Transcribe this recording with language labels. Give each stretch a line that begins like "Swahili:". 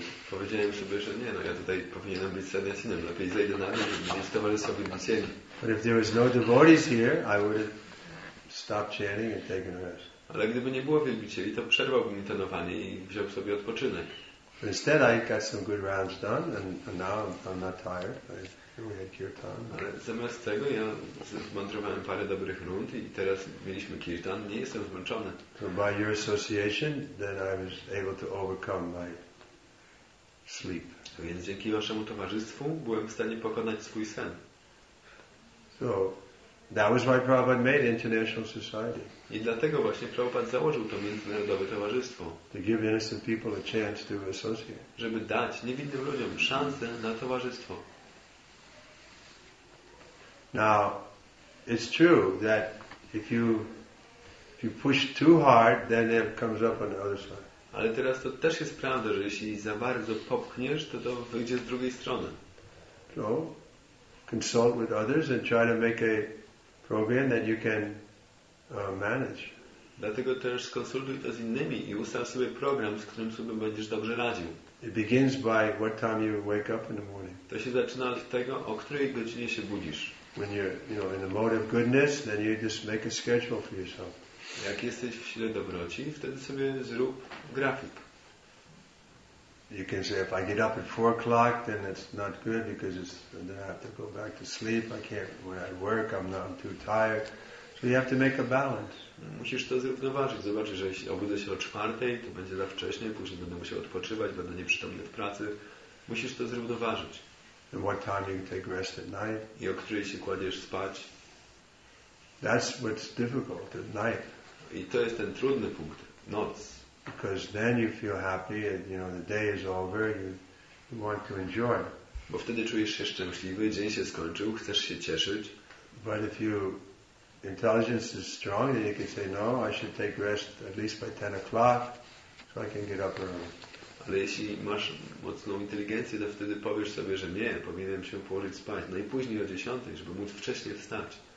Polish: Powiedziałem sobie, że nie, no ja tutaj powinienem być sannyasinem, lepiej zejdę na dół, żeby mieć towarzystwo wielbicieli.
English: But if there was no devotees here, I would have stopped chanting and taken rest.
Polish: Ale gdyby nie było wielbicieli, to przerwałbym intonowanie i wziął sobie odpoczynek.
English: But instead I got some good rounds done and now I'm not tired. We had kirtan.
Polish: Ale zamiast tego ja zmantrowałem parę dobrych rund i teraz mieliśmy kirtan, nie jestem zmęczony.
English: So by your association, then I was able to overcome my sleep.
Polish: Więc dzięki waszemu towarzystwu byłem w stanie pokonać swój sen.
English: So that was why Prabhupada made International Society.
Polish: I dlatego właśnie Prabhupada założył to międzynarodowe towarzystwo.
English: To give innocent people a chance to associate.
Polish: Żeby dać niewinnym ludziom szansę na towarzystwo.
English: Now, it's true that if you push too hard, then it comes up on the other side.
Polish: Ale teraz to też jest prawda, że jeśli za bardzo popchniesz, to wyjdzie z drugiej strony.
English: So, consult with others and try to make a program that you can manage.
Polish: Dlatego też skonsultuj to z innymi i ustaw sobie program, z którym sobie będziesz dobrze radził.
English: It begins by what time you wake up in the morning.
Polish: To się zaczyna od tego, o której godzinie się budzisz.
English: When you're in the mode of goodness, then you just make a schedule for yourself.
Polish: Jak jesteś w sile dobroci, wtedy sobie zrób grafik.
English: You can say, if I get up at 4 o'clock, then it's not good because it's, then I have to go back to sleep. I can't, when I work, I'm too tired. So you have to make a balance.
Polish: Musisz to zrównoważyć. Zobaczysz, że jeśli obudzę się o 4, to będzie za wcześnie. Później będę musiał odpoczywać, będę nieprzytomny w pracy. Musisz to zrównoważyć.
English: And what time you take rest at night?
Polish: I o której się kładziesz spać?
English: That's what's difficult at night.
Polish: I to jest ten trudny punkt. Noc.
English: Because then you feel happy, and you know the day is over. You want to enjoy.
Polish: Bo wtedy czujesz się szczęśliwy, dzień się skończył, chcesz się cieszyć.
English: But if your intelligence is strong, then you can say, no, I should take rest at least by 10 o'clock, so I can get up early.
Polish: Ale jeśli masz mocną inteligencję, to wtedy powiesz sobie, że nie, powinienem się położyć spać, najpóźniej o 10, żeby móc wcześniej wstać.